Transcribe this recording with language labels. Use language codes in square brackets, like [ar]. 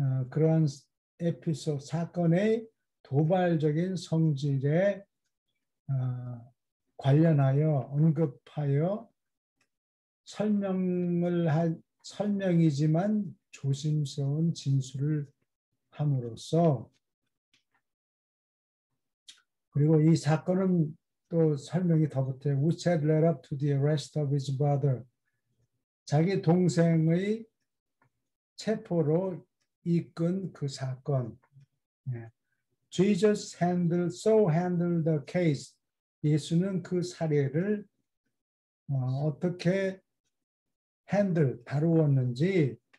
[ko] 그러한 에피소드 사건의 도발적인 성질에 관련하여 언급하여 설명을 할 설명이지만 조심스러운 진술을 함으로써 그리고 이 사건은 또 설명이 더 붙어요. [en] Which had led up to the arrest of his brother. [ko] 자기 동생의 체포로 이끈 그 사건. [en] Jesus handled, so handled the case. [ko] 예수는 그 사례를 어떻게 handle, 다루었는지.